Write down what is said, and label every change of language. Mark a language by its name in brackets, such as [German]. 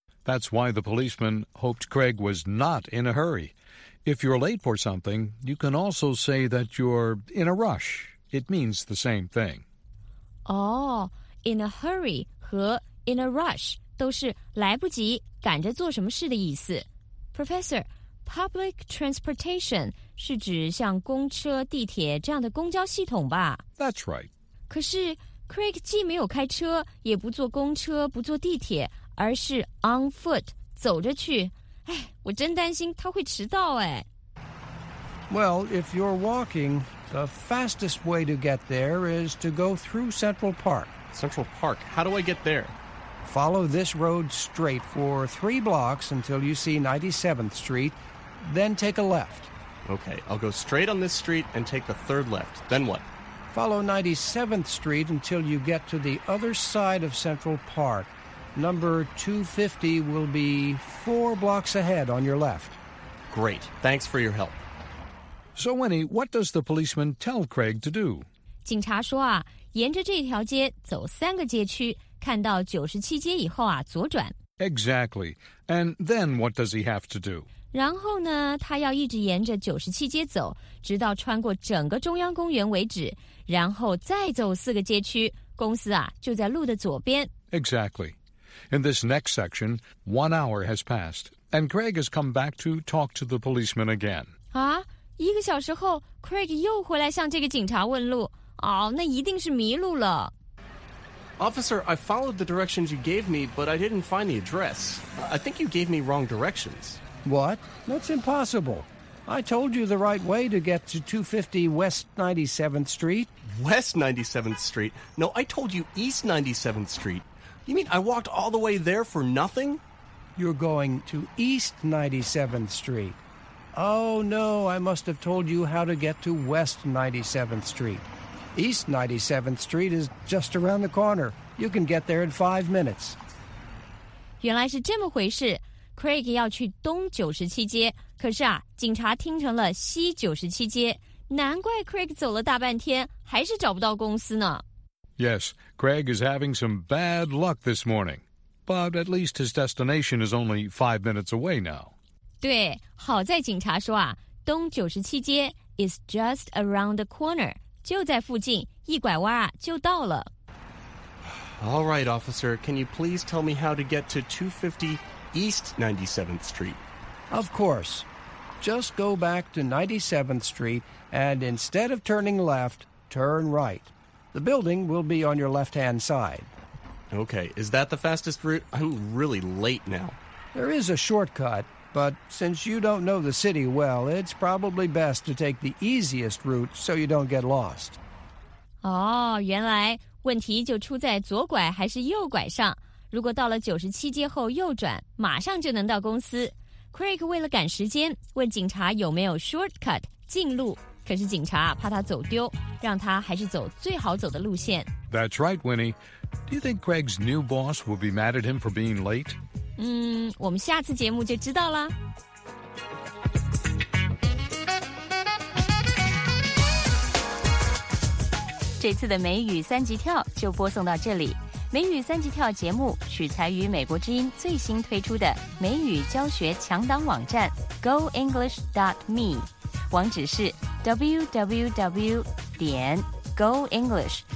[English] That's why the policeman hoped Craig was not in a hurry. If you're late for something, you can also say that you're in a rush. It means the same thing. Oh, in a hurry 和 in a rush. [Chinese] 都是来不及赶着做什么事的意思。Professor, public transportation 是指像公车、地铁这样的公交系统吧？ That's right. 可是 Craig 既没有开车，也不坐公车，不坐地铁，而是 on foot 走着去。哎，我真担心他会迟到哎。 [English] Well, if you're walking, the fastest way to get there is to go through Central Park. Central Park, how do I get there? Follow this road straight for 3 blocks until you see 97th Street, then take a left. Okay, I'll go straight on this street and take the 3rd left. Then what? Follow 97th Street until you get to the other side of Central Park. Number 250 will be 4 blocks ahead on your left. Great. Thanks for your help. So, Winnie, what does the policeman tell Craig to do? [Chinese] 警察说啊，沿着这条街走三个街区。看到97街以后啊，左转。 [English] Exactly. And then what does he have to do? [Chinese] 然后呢，他要一直沿着97街走，直到穿过整个中央公园为止，然后再走4个街区，公司啊，就在路的左边。 [English] Exactly. In this next section, 1 hour has passed, and Craig has come back to talk to the policeman again. [Chinese] 啊，一个小时后， Craig 又回来向这个警察问路。哦，那一定是迷路了。 [English] Officer, I followed the directions you gave me, but I didn't find the address. I think you gave me wrong directions. What? That's impossible. I told you the right way to get to 250 West 97th Street. West 97th Street? No, I told you East 97th Street. You mean I walked all the way there for nothing? You're going to East 97th Street. Oh, no, I must have told you how to get to West 97th Street. East 97th Street is just around the corner. You can get there in 5 minutes. [Chinese] 原来是这么回事。 Craig 要去东97街，可是啊，警察听成了西97街。难怪 Craig 走了大半天，还是找不到公司呢。 [English] Yes, Craig is having some bad luck this morning. But at least his destination is only 5 minutes away now. [Chinese] 对，好在警察说啊，东97街 [English] is just around the corner. [Chinese] 就在附近，一拐弯啊，就到了。 [English] All right, officer, can you please tell me how to get to 250 East 97th Street? Of course. Just go back to 97th Street, and instead of turning left, turn right. The building will be on your left-hand side. Okay, is that the fastest route? I'm really late now. There is a shortcut. But since you don't know the city well, it's probably best to take the easiest route so you don't get lost. [Chinese] 哦，原来问题就出在左拐还是右拐上。如果到了97街后右转，马上就能到公司。 Craig 为了赶时间，问警察有没有 shortcut, 近路。可是警察怕他走丢，让他还是走最好走的路线。 [English] That's right, Winnie. Do you think Craig's new boss will be mad at him for being late? [Chinese] 我们下次节目就知道了。这次的美语三级跳就播送到这里。美语三级跳节目取材于美国之音最新推出的美语教学强档网站 goenglish.me， 网址是 www.goenglish.me。